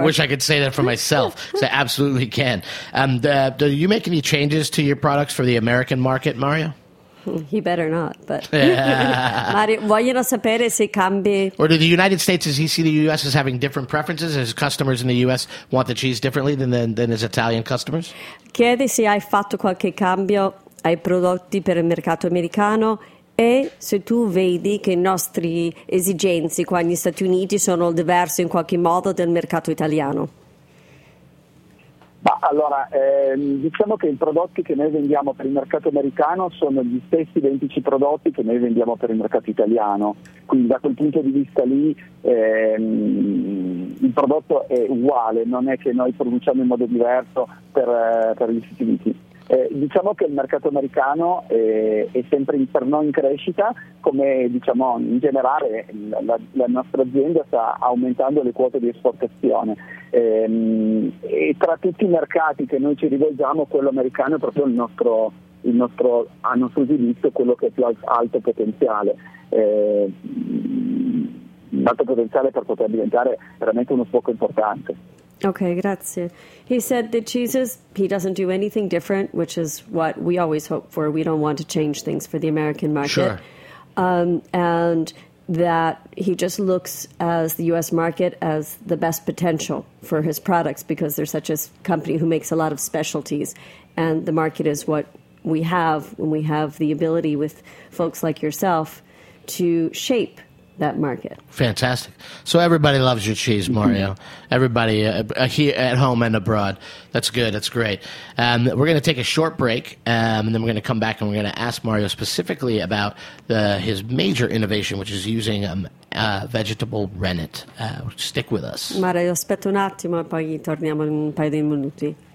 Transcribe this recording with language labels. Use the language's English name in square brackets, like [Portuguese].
[English] I wish I could say that for myself. So I absolutely can. Do you make any changes to your products for the American market, Mario? He better not, but Mario, [Italian] vogliono sapere se cambi. [English] Or do the United States, does he see the U.S. as having different preferences? His customers in the U.S. want the cheese differently than his Italian customers? [Italian] Chiede se hai fatto qualche cambio ai prodotti per il mercato americano e se tu vedi che i nostri esigenze qua negli Stati Uniti sono diverse in qualche modo del mercato italiano. Ma allora, diciamo che i prodotti che noi vendiamo per il mercato americano sono gli stessi identici prodotti che noi vendiamo per il mercato italiano, quindi da quel punto di vista lì il prodotto è uguale, non è che noi produciamo in modo diverso per gli Stati Uniti. Diciamo che il mercato americano è sempre per noi in crescita, come diciamo in generale la nostra azienda sta aumentando le quote di esportazione. E tra tutti i mercati che noi ci rivolgiamo, quello americano è proprio il nostro a nostro giudizio, quello che è più alto potenziale. Alto potenziale per poter diventare veramente uno sbocco importante. Okay, grazie. [English] He said the cheeses, he doesn't do anything different, which is what we always hope for. We don't want to change things for the American market. Sure. And that he just looks as the U.S. market as the best potential for his products because they're such a company who makes a lot of specialties, and the market is what we have when we have the ability with folks like yourself to shape that market. Fantastic. So everybody loves your cheese, Mario. Mm-hmm. Everybody here at home and abroad. That's good. That's great. We're going to take a short break, and then we're going to come back, and we're going to ask Mario specifically about his major innovation, which is using vegetable rennet. Stick with us. [Italian] Mario, aspetta un attimo, poi torniamo in un paio di minuti.